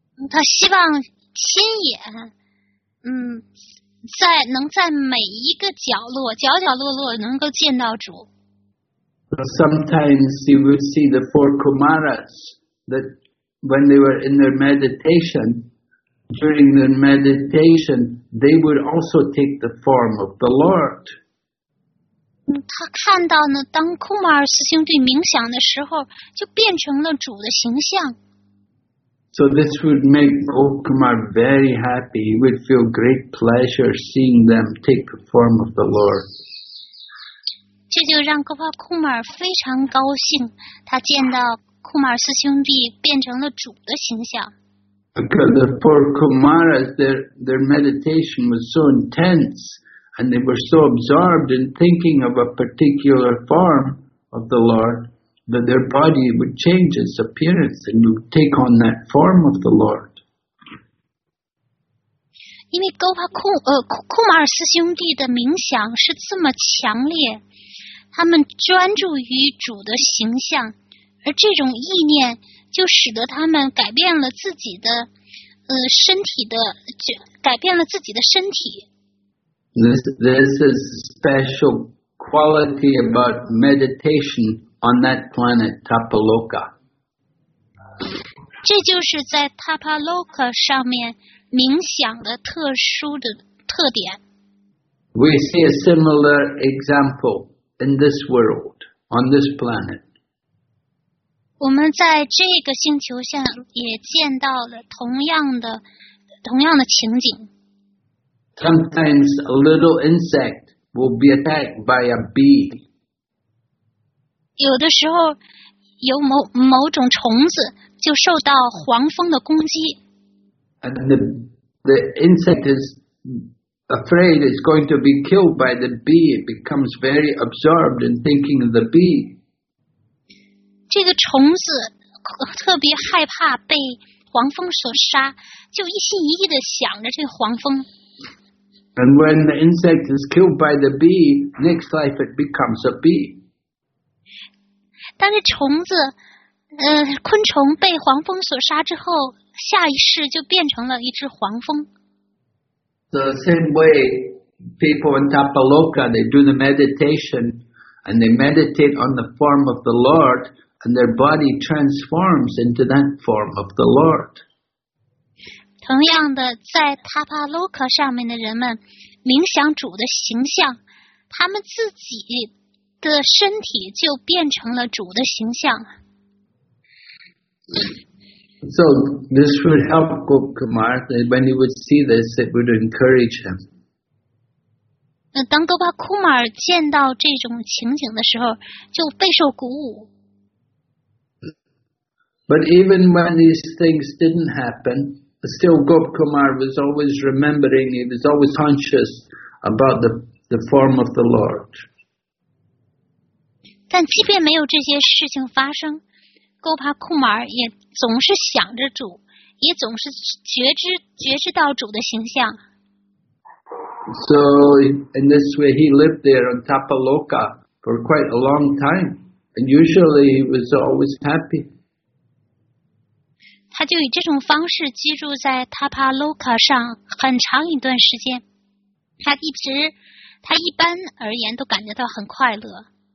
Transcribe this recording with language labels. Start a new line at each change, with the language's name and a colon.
Chinese: 他希望亲眼，在能在每一个角落，角角落落能够见到主。
English: Sometimes you will see the four Kumaras that when they were in their meditation, during their meditation, they would also take the form of the Lord.
Chinese: 他看到呢，当库马尔斯兄弟冥想的时候，就变成了主的形象。
English: So this would make Gop Kumar very happy. He would feel great pleasure seeing them take the form of the Lord.
Chinese: 这就让 Gop Kumar 非常高兴，他见到库马尔斯兄弟变成了主的形象。
English: Because the four Kumaras, their meditation was so intense, and they were so absorbed in thinking of a particular form of the Lord. That their body would change its appearance and would take on that form of the Lord.
Chinese: 因为高帕库库马尔斯兄弟的冥想是这么强烈，他们专注于主的形象，而这种意念就使得他们改变了自己的身体的改变了自己的身体。
English: This is a special quality about meditation. On that planet, Tapaloka.
Chinese: 这就是在 Tapaloka 上面冥想的特殊的特点。
English: We see a similar example in this world, on this planet.
Chinese: 我们在这个星球下也见到了同样的情景。
English: Sometimes a little insect will be attacked by a bee.
Chinese: 有的时候有某种虫子就受到黄蜂的攻击。
English: And the insect is afraid it's going to be killed by the bee. It becomes very absorbed in thinking of the bee.
Chinese: 这个虫子特别害怕被黄蜂所杀，就一心一意地想着这个黄蜂。
English: And when the insect is killed by the bee, next life it becomes a bee.
Chinese: 但是虫子，昆虫被黄蜂所杀之后，下一世就变成了一只黄蜂。
English: The same way, people in Tapaloka they do the meditation, and they meditate on the form of the Lord, and their body transforms into that form of the Lord.
Chinese: 同样的，在 Tapaloka 上面的人们冥想主的形象，他们自己。的身体就变成了主的形象。
English: So this would help Gop Kumar when he would see this, it would encourage him.
Chinese: 那当戈巴库马尔见到这种情景的时候，就备受鼓舞。
English: But even when these things didn't happen, still Gop Kumar was always remembering. He was always conscious about the form of the Lord.
Chinese: 但即便没有这些事情发生，戈帕库马尔也总是想着主，也总是觉知到主的形象。
English: So in this way, he lived there on Tapaloka for quite a long time, and usually he was always happy.
Chinese: 他就以这种方式居住在 Tapaloka 上很长一段时间，他一般而言都感觉到很快乐。